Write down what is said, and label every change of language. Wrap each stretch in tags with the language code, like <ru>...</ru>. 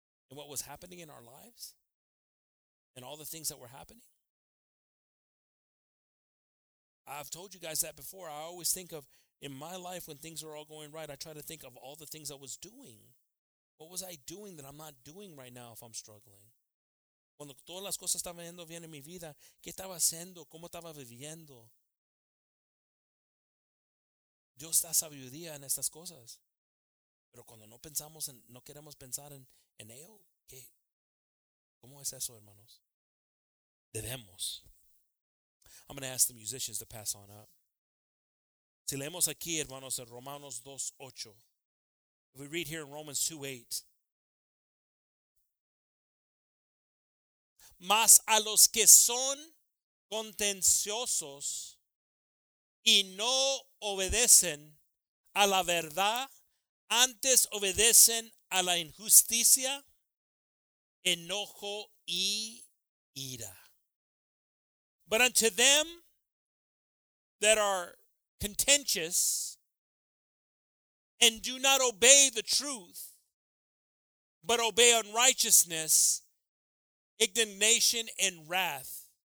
<en>And what was happening in our lives? And all the things that were happening? I've told you guys that before. I always think of, in my life, when things are all going right, I try to think of all the things I was doing. What was I doing that I'm not doing right now if I'm struggling?</en> <es>Cuando todas las cosas estaban yendo bien en mi vida, ¿qué estaba haciendo? ¿Cómo estaba viviendo? Dios da sabiduría en estas cosas. Pero cuando no pensamos en, no queremos pensar en ello, ¿qué? ¿Cómo es eso, hermanos? Debemos.</es> <en>I'm going to ask the musicians to pass on up.</en> <es>Si leemos aquí, hermanos, en Romanos 2:8.</es> <en>If we read here in Romans 2:8.</en> <es>Mas a los que son contenciosos y no obedecen a la verdad, antes obedecen a la injusticia, enojo y ira.</es> <en>But unto them that are contentious and do not obey the truth, but obey unrighteousness, indignation and wrath.</en>